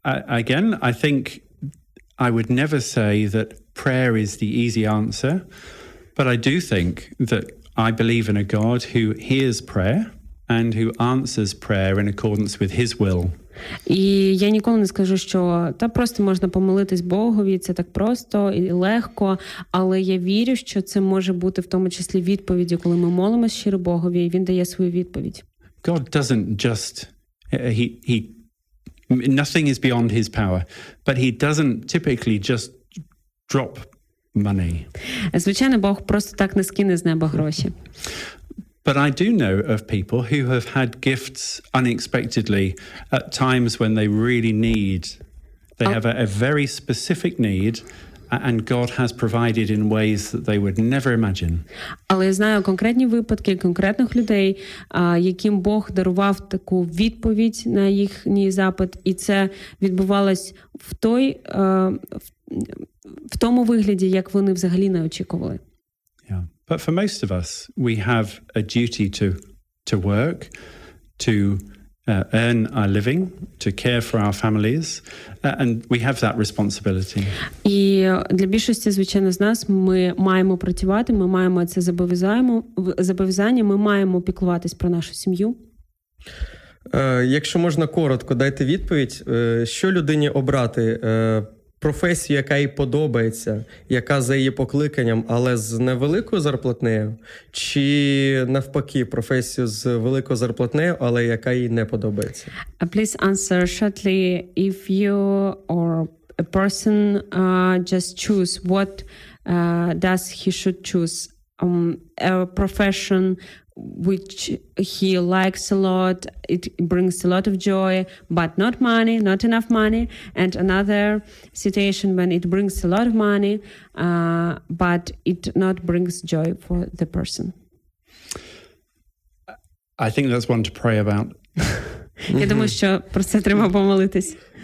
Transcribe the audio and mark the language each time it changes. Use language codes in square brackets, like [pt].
[en] Again, I think I would never say that prayer is the easy answer, but I do think that I believe in a God who hears prayer and who answers prayer in accordance with his will. [uk] І я ніколи не скажу, що та просто можна помолитись Богові, це так просто і легко, але я вірю, що це може бути в тому числі відповіддю, коли ми молимося щиро Богові, і він дає свою відповідь. [en] God doesn't just he nothing is beyond his power, but he doesn't typically just drop money. [uk] Звичайно, Бог просто так не скине з неба гроші. [en] But I do know of people who have had gifts unexpectedly at times when they really need. They have a very specific need and God has provided in ways that they would never imagine. [uk] Але я знаю конкретні випадки конкретних людей, яким Бог дарував таку відповідь на їхній запит, і це відбувалось в тому вигляді, як вони взагалі не очікували. [en] Yeah. But for most of us, we have a duty to work, to earn our living, to care for our families, and we have that responsibility. [uk] І для більшості, звичайно, з нас, ми маємо працювати, ми маємо це зобов'язання, ми маємо піклуватись про нашу сім'ю. Якщо можна коротко, дайте відповідь, що людині обрати? Професію, яка їй подобається, яка за її покликанням, але з невеликою зарплатнею, чи навпаки, професію з великою зарплатнею, але яка їй не подобається? [en] Please answer shortly if you or a person just choose what does he should choose. A profession which he likes a lot, it brings a lot of joy, but not money, not enough money, and another situation when it brings a lot of money, but it not brings joy for the person. I think that's one to pray about. [uk] Я думаю, що про це треба помолитись.